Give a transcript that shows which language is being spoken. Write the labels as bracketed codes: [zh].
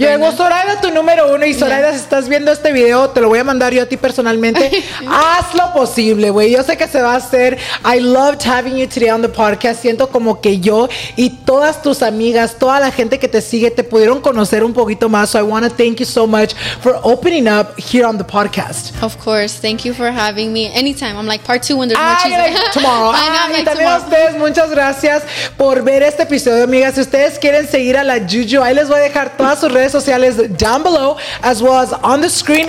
[es] Llegó right Soraida, tu número uno. Y Soraida, si estás viendo este video, te lo voy a mandar yo a ti personalmente. Haz lo posible, güey. Yo sé que se va a hacer. [en] I loved having you today on the podcast. [es] Siento como que yo y todas tus amigas, toda la gente que te sigue, te pudieron conocer un poquito más. [en] So I want to thank you so much for opening up here on the podcast. Of course. Thank you for having me. Anytime. I'm like part two when there's more cheese. Like, tomorrow. I know, like, [es] y también tomorrow. A ustedes, muchas gracias por ver este episodio, amigas. Si ustedes quieren seguir a la Juju, ahí les voy dejar todas sus redes sociales [en] down below as well as on the screen.